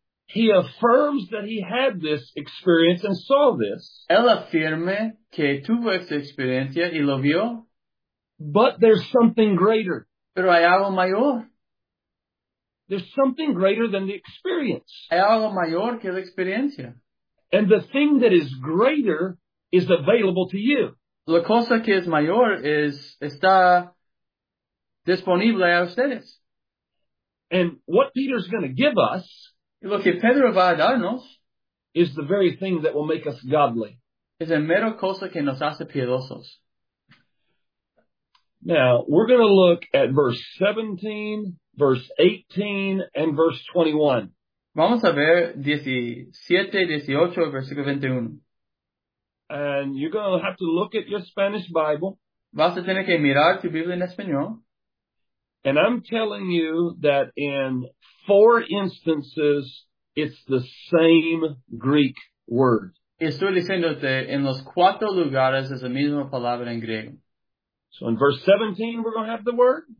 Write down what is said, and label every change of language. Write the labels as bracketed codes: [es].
[en] He affirms that he had this experience and saw this. [es] Él afirma que tuvo esta experiencia y lo vio. [en] But there's something greater. [es] Pero hay algo mayor. [en] There's something greater than the experience. [es] Hay algo mayor que la experiencia. [en] And the thing that is greater is available to you. [es] La cosa que es mayor es, está disponible a ustedes. [en] And what Peter's going to give us, [es] y lo que Pedro va a darnos, [en] is the very thing that will make us godly. [es] Es la mera cosa que nos hace piedosos. [en] Now, we're going to look at verse 17, verse 18, and verse 21. [es] Vamos a ver 17, 18, versículo 21. [en] And you're going to have to look at your Spanish Bible. [es] Vas a tener que mirar tu Biblia en español. [en] And I'm telling you that in 4 instances, it's the same Greek word. [es] Estoy diciéndote, en los 4 lugares es la misma palabra en griego. [en] So in verse 17, we're going to have the word.